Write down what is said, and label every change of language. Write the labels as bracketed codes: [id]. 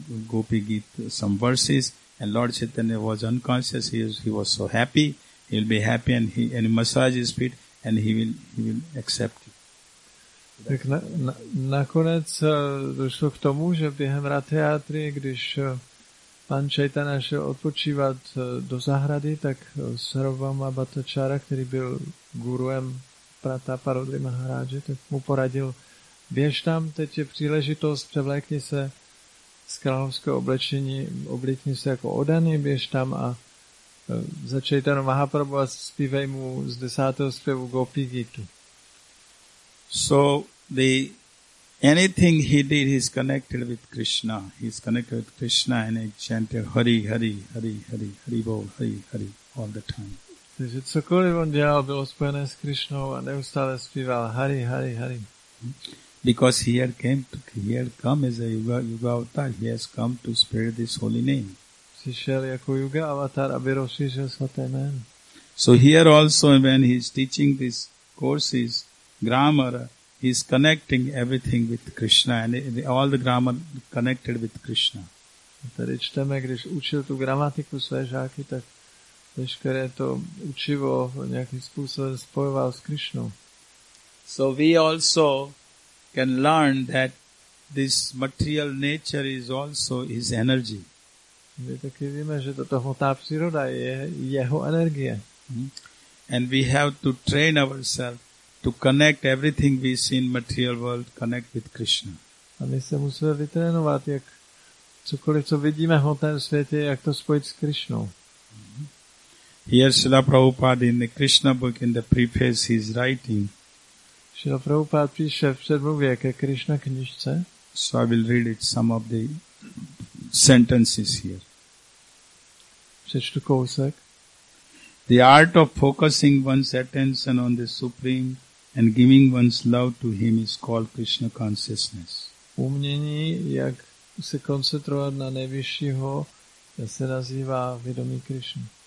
[en] Gopi Gita, some verses, and Lord Chaitanya was unconscious, he was so happy, he'll be happy and he massage his feet and he will accept. [cs] Tak nakonec došlo k tomu, že během Rathyatry, když pan Chaitanya šel odpočívat do zahrady, tak Sarvama Bhattacharya, který byl guruem Prataparudry Maharaje, tak mu poradil, běž tam, teď je příležitost, převlékni se z královského oblečení, oblíkni se jako oddaný, běž tam a za Chaitanya Mahaprabhu a zpívej mu z 10. zpěvu Gopi Gitu. [en] So the anything he did, he's connected with Krishna. He's connected with Krishna and he chanted Hari Hari Hari Hari Hari Bol Hari Hari all the time. [cs] Takže cokoliv on dělal, bylo spojené s Krishnou a neustále zpíval Hari Hari Hari. [en] Because he had come as a Yuga avatar. He has come to spread this holy name. [cs] Přišel jako Yuga avatar, aby rozšířil svaté jméno. [en] So here also, when he's teaching these courses, grammar, he is connecting everything with Krishna and all the grammar connected with Krishna. [cs] Tady čteme, když učil tu gramatiku své žáky, tak veškeré to učivo nějakým způsobem spojoval s Krishnou. [en] So we also can learn that this material nature is also his energy. [cs] My taky víme, že toto hmotná příroda je jeho energie. [en] And we have to train ourselves to connect everything we see in material world, connect with Krishna. [cs] A my se musíme vytrénovat, jak cokoliv, co vidíme v hmotném světě, jak to spojit s Krishnou. [en] Here Srila Prabhupada in the Krishna book, in the preface, he is writing. [cs] Srila Prabhupada píše v předmluvě ke Krishna knižce. [en] So I will read it, some of the sentences here. [cs] Přečtu kousek. [en] The art of focusing one's attention on the Supreme and giving one's love to Him is called Krishna consciousness. [cs] Umění, jak se koncentrovat na nejvyššího, se nazývá vědomí Krishna.